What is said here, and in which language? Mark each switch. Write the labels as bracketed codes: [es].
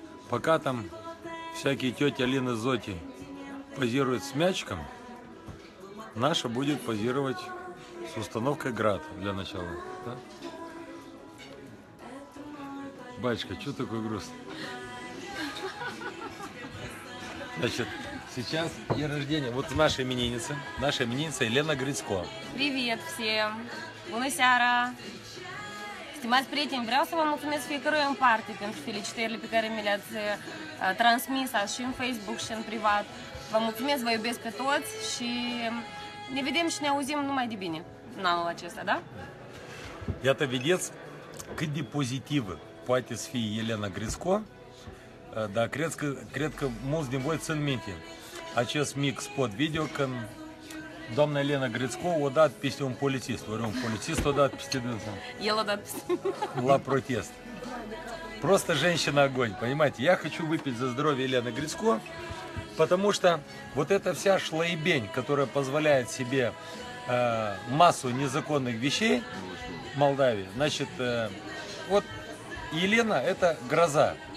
[ru] Пока там всякие тети Алины Зоти позируют с мячиком, наша будет позировать с установкой ГРАД для начала. Да? Батюшка, что такое грустно? Значит, сейчас день рождения. Вот наша именинница. Наша именинница Елена Грицко. Привет всем! [ro] Бунесяра. Стимать приятен, vreau să vă mulțumesc fiecare în parte pentru felicitările pe care mi le-ați transmis și în Facebook și în privat. Vă mulțumesc, vă iubesc pe toți și ne vedem și ne auzim numai de bine în anul acesta, da? Iată, vedeți cât de pozitivă poate să fie Elena Grisco, dar cred că mulți din voi țin minte acest mic spot video când doamna Elena Grițco a dat peste un polițist, ori un polițist a dat peste dânsa. El a dat peste. La protest. [ru] Просто женщина огонь, понимаете? Я хочу выпить за здоровье Елены Грицко, потому что вот эта вся шлоебень, которая позволяет себе массу незаконных вещей в Молдавии, значит, вот Елена – это гроза.